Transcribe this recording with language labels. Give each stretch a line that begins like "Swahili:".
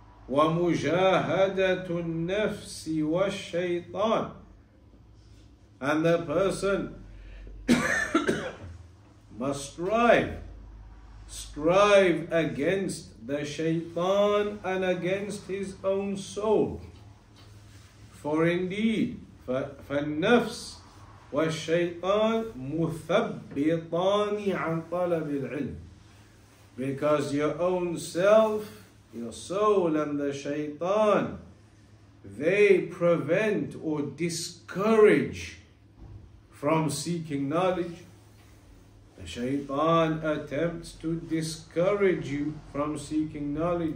Arabic: وَمُجَاهَدَةُ النَّفْسِ وَالشَّيْطَانِ.
English: And the person must strive against the shaitan and against his own soul. For indeed,
Arabic: فالنفس والشيطان مثبطان عن طلب العلم.
English: Because your own self, your soul and the shaitan, they prevent or discourage from seeking knowledge. The shaitan attempts to discourage you from seeking knowledge.